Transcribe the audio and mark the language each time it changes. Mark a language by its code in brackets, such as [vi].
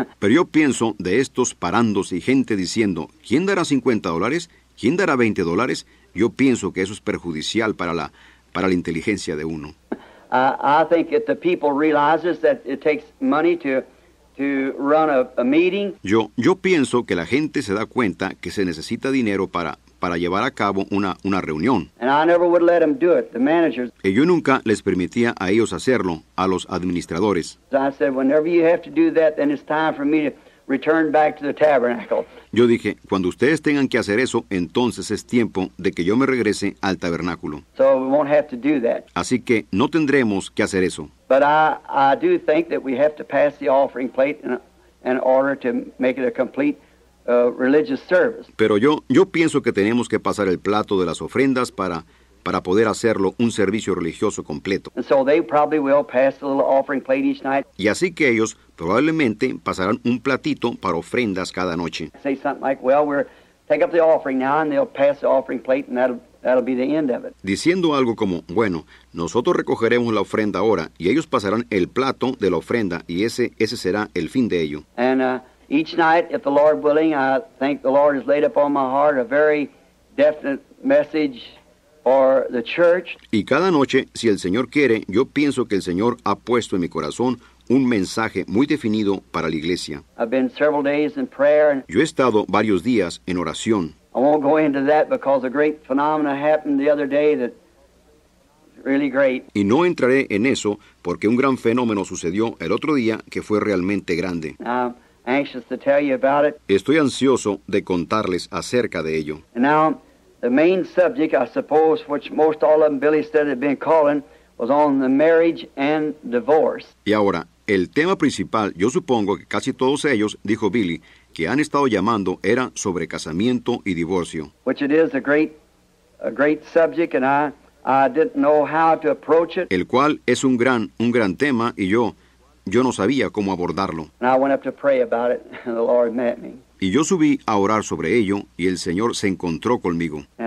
[es] Pero yo pienso de estos parándose y gente diciendo, ¿quién dará $50? ¿Quién dará $20? Yo pienso que eso es perjudicial para la inteligencia de uno. [en] I think if the people realizes that it takes money to run a meeting. [es] Yo pienso que la gente se da cuenta que se necesita dinero para llevar a cabo una reunión. [en] And I never would let them do it, the managers. [es] Y yo nunca les permitía a ellos hacerlo, a los administradores. [en] I said, whenever you have to do that, then it's time for me to return back to the tabernacle. [es] Yo dije, cuando ustedes tengan que hacer eso, entonces es tiempo de que yo me regrese al tabernáculo. [en] So we won't have to do that. [es] Así que no tendremos que hacer eso. [en] But I do think that we have to pass the offering plate in order to make it a complete religious service. [es] Pero yo pienso que tenemos que pasar el plato de las ofrendas para poder hacerlo un servicio religioso completo. [en] And so they probably will pass the little offering plate each night. [es] Y así que ellos probablemente pasarán un platito para ofrendas cada noche. [en] Say something like, well, we're take up the offering now, and they'll pass the offering plate, and that'll be the end of it. [es] Diciendo algo como, bueno, nosotros recogeremos la ofrenda ahora, y ellos pasarán el plato de la ofrenda, y ese será el fin de ello. [en] And each night, if the Lord willing, I think the Lord has laid upon my heart a very definite message for the church. [es] Y cada noche, si el Señor quiere, yo pienso que el Señor ha puesto en mi corazón un mensaje muy definido para la iglesia. [en] I've been several days in prayer. [es] Yo he estado varios días en oración. [en] I won't go into that because a great phenomenon happened the other day that really great. [es] Y no entraré en eso porque un gran fenómeno sucedió el otro día que fue realmente grande. [en] I'm anxious to tell you about it. [es] Estoy ansioso de contarles acerca de ello. [en] And now, the main subject, I suppose, which most all of them Billy said had been calling, was on the marriage and divorce. [es] Y ahora, el tema principal, yo supongo que casi todos ellos, dijo Billy, que han estado llamando, era sobre casamiento y divorcio. [en] Which it is a great subject, and I didn't know how to approach it. [es] El cual es un gran tema, y yo no sabía cómo abordarlo. [en] And I went up to pray about it, and the Lord met me. [es] Y yo subí a orar sobre ello, y el Señor se encontró conmigo.